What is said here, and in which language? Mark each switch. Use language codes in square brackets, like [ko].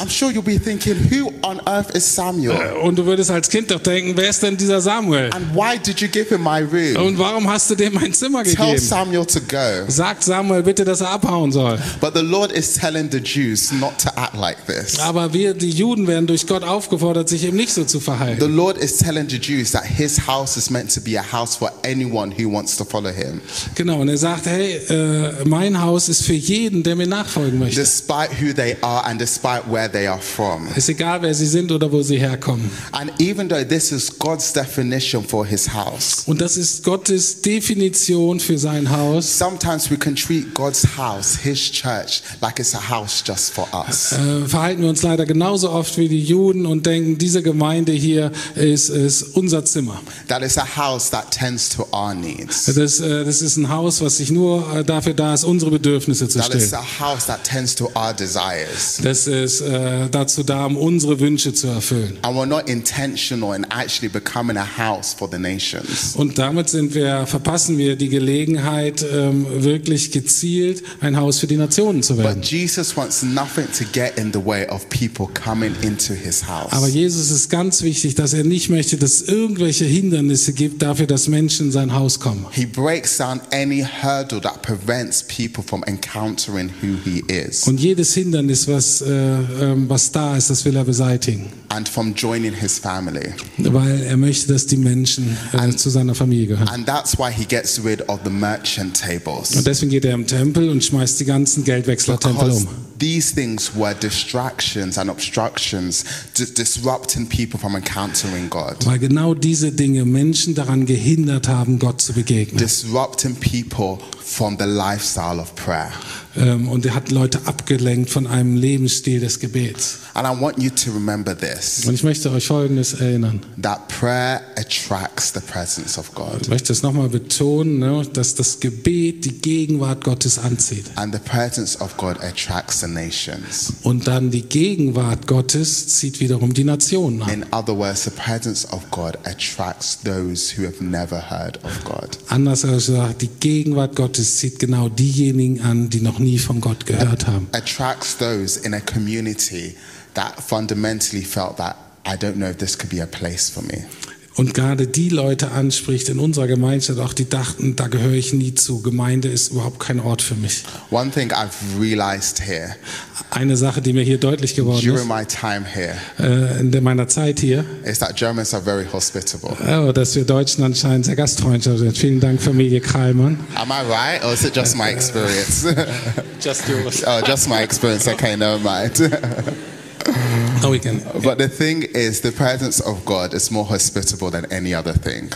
[en] I'm sure you'll be thinking, who on earth is Samuel? [de] Und du würdest als Kind doch denken, wer ist denn dieser Samuel? [en] And why did you give him my room? [de] Und warum hast du dem mein Zimmer gegeben? [en] Tell Samuel to go. [de] Sagt Samuel bitte, dass er abhauen soll. [en] But the Lord is telling the Jews not to act like this. [de] Aber wir, die Juden, werden durch Gott aufgefordert, sich eben nicht so zu verhalten. [en] The Lord is telling the Jews that his house is meant to be a house for anyone who wants to follow him. [de] Genau, und er sagt, hey, mein Haus ist für jeden, der mir nachfolgen möchte. [en] Despite who they are and despite where they are from. [de] Ist egal, wer sie sind oder wo sie herkommen. [en] And even though this is God's definition for his house. [de] Und das ist Gottes Definition für sein Haus. [en] Sometimes we can treat God's house, his church, like it's a house just for us. [de] Verhalten wir uns leider genauso oft wie die Juden und denken, diese Gemeinde hier ist unser Zimmer. [en] That is a house that tends to our needs. [de] Das ist ein Haus, was sich nur dafür da ist, unsere Bedürfnisse zu stillen. [en] That is a house that tends to our our desires. [de] Das ist dazu da, um unsere Wünsche zu erfüllen. [en] And we're not intentional in actually becoming a house for the nations. [de] Und damit verpassen wir die Gelegenheit, wirklich gezielt ein Haus für die Nationen zu werden. [en] But Jesus wants nothing to get in the way of people coming into his house. [de] Aber Jesus ist ganz wichtig, dass er nicht möchte, dass irgendwelche Hindernisse gibt dafür, dass Menschen in sein Haus kommen. [en] He breaks down any hurdle that prevents people from encountering who he is. [de] Und jedes Hindernis, was da ist, das will er beseitigen. [en] And from joining his family. [de] Weil er möchte, dass die Menschen zu seiner Familie gehören. [en] And that's why he gets rid of the merchant tables. [de] Und deswegen geht er im Tempel und schmeißt die ganzen Geldwechsler-Tempel um. [en] These things were distractions and obstructions, disrupting people from encountering God. [de] Weil genau diese Dinge Menschen daran gehindert haben, Gott zu begegnen. [en] Disrupting people from the lifestyle of prayer. [de] Und er hat Leute abgelenkt von einem Lebensstil des Gebets. [en] And I want you to remember this. [de] Und ich möchte euch Folgendes erinnern. [en] That prayer attracts the presence of God. [de] Ich möchte es nochmal betonen, ne, dass das Gebet die Gegenwart Gottes anzieht. [en] And the presence of God attracts the nations. [de] Und dann die Gegenwart Gottes zieht wiederum die Nationen an. [en] In other words, the presence of God attracts those who have never heard of God. [de] Anders gesagt, die Gegenwart Gottes zieht genau diejenigen an, die noch nie von Gott gehört haben. [en] Attracts those in a community that fundamentally felt that I don't know if this could be a place for me. [de] Und gerade die Leute anspricht in unserer Gemeinschaft, auch die dachten, da gehöre ich nie zu. Gemeinde ist überhaupt kein Ort für mich. [en] One thing I've realized here. [de] Eine Sache, die mir hier deutlich geworden [en] during [de] ist. [en] My time here, [de] in meiner Zeit hier. [en] Is that Germans are very hospitable. [de] Oh, dass wir Deutschen anscheinend sehr gastfreundlich sind. Vielen Dank, Familie Kreimann. [en] Am I right or is it just my experience? Just yours. Oh, just my experience. Okay, never mind. No, we can. But the thing is, the presence of God is more hospitable than any other thing.